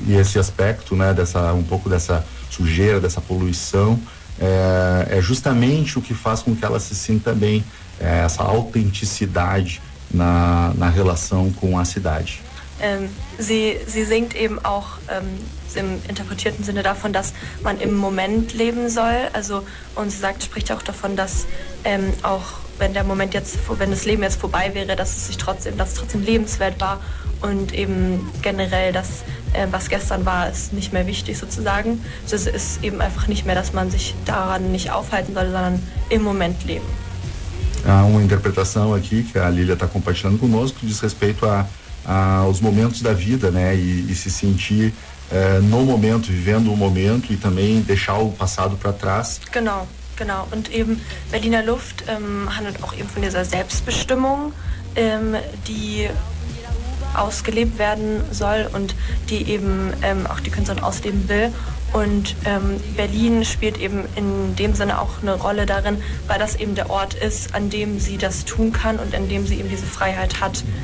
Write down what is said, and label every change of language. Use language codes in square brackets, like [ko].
[pt] E esse aspecto, né, dessa pouco dessa sujeira, dessa poluição, é justamente o que faz com que ela se sinta bem, essa autenticidade na relação com a cidade. [de] Sie singt eben auch im interpretierten Sinne davon, dass man im Moment leben soll. Also, und sie spricht auch davon, dass auch wenn der Moment jetzt, wenn das Leben jetzt vorbei wäre, dass es trotzdem lebenswert war und eben generell das, was gestern war, ist nicht mehr wichtig sozusagen. Das ist eben einfach nicht mehr, dass man sich daran nicht aufhalten soll, sondern im Moment leben. [pt] Há uma interpretação aqui que a Lilia está compartilhando conosco, diz respeito aos momentos da vida, né, e se sentir no momento, vivendo o momento e também deixar o passado para trás. [de] Genau, genau. Und eben Berliner Luft handelt auch eben von dieser Selbstbestimmung, die ausgelebt werden soll und die eben auch die Künstlerin ausleben will. Und Berlin spielt eben in dem Sinne auch eine Rolle darin, weil das eben der Ort ist, an dem sie das tun kann und an dem sie eben diese Freiheit hat.